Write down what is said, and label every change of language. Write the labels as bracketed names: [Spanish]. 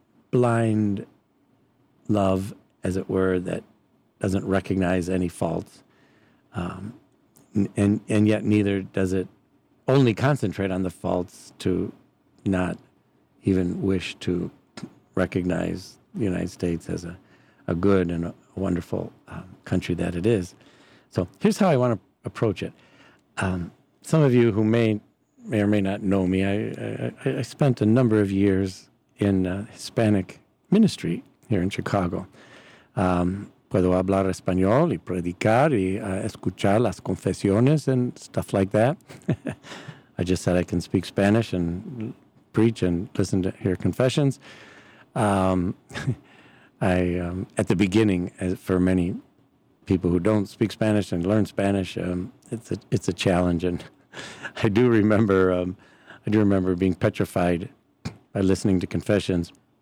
[English] blind love, as it were, that doesn't recognize any faults, and yet neither does it only concentrate on the faults to not even wish to recognize the United States as a good and a wonderful country that it is. So here's how I want to approach it. Some of you who may or may not know me, I spent a number of years in Hispanic ministry here in Chicago. [Spanish] Puedo hablar español y predicar y escuchar las confesiones [English] and stuff like that. I just said I can speak Spanish and preach and listen to hear confessions. At the beginning, as for many people who don't speak Spanish and learn Spanish, it's a challenge. And I do remember being petrified by listening to confessions.